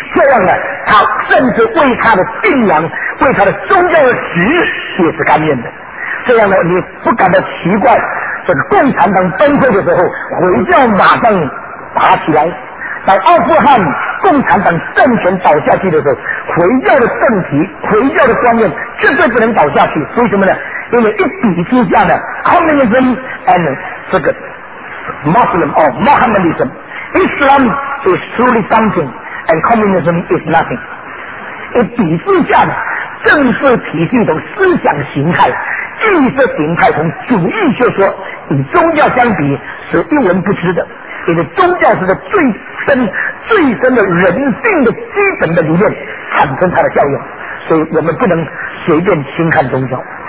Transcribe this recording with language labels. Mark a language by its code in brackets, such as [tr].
[zh] 这样呢，他甚至为他的信仰、为他的宗教的职也是甘愿的。这样呢，你不感到奇怪，这个共产党崩溃的时候，回教马上爬起来。当阿富汗共产党政权倒下去的时候，回教的政体、回教的观念绝对不能倒下去。为什么呢？因为一比之下呢 [en] ，Communism and 这个 Muslim or Mohammedism， Islam is truly something and Communism is nothing。 [zh] 一比之下呢，政治体系同思想形态、意识形态同主义学说与宗教相比是一文不值的。因为宗教是在最深的人性的基本的理念产生它的效用，所以我们不能随便轻看宗教。